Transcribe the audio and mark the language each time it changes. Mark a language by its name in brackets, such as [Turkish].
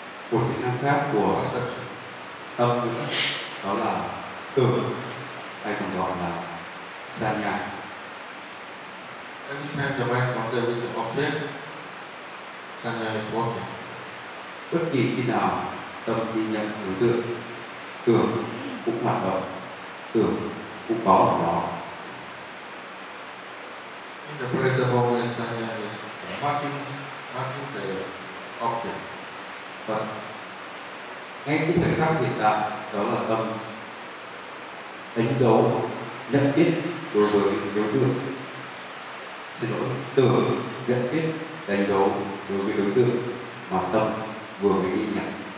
[Vietnamese] Một tính năng khác của tâm nữa đó là tưởng, hay còn gọi là sanya. [English] Every time the mind contacts with the object, sanya is working. [Vietnamese] Bất kỳ khi nào tâm ghi nhận đối tượng, tưởng cũng hoạt động, tưởng cũng có ở đó. [English] In the present moment, sanya is marking the object. [Vietnamese] Vâng. Ngay cái thời khắc hiện tại, đó là tâm đánh dấu, nhận biết đối với đối tượng. Xin lỗi, tưởng nhận biết đánh dấu đối với đối tượng mà tâm vừa mới ghi nhận.